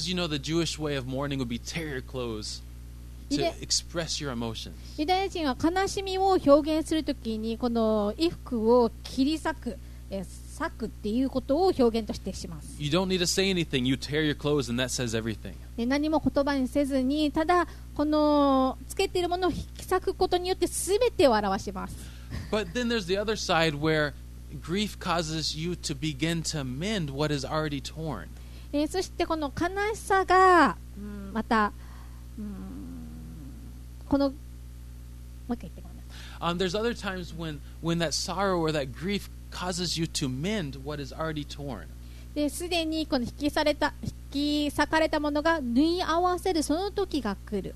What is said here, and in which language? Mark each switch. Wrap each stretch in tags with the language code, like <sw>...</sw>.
<en>Because you know the Jewish way of mourning would be tear your clothes to express your emotions.</en> <ja>ユダヤ人は悲しみを表現するときにこの衣服を切り裂く、裂くっていうことを表現としてします。</ja> <en>You don't need to say anything. You tear your clothes and that says everything.</en> <ja>何も言葉にせずに、ただこのつけているものを引き裂くことによって全てを表します。</ja> <en>But then there's the other side whereGrief causes you to begin to mend what is already torn.</en> <ja>そしてこの悲しさが、また、この、もう一回言ってください。</ja> <en>There's other times when that sorrow or that grief causes you to mend what is already torn.</en> <ja>で、すでにこの引き裂かれたものが縫い合わせるその時が来る。</ja>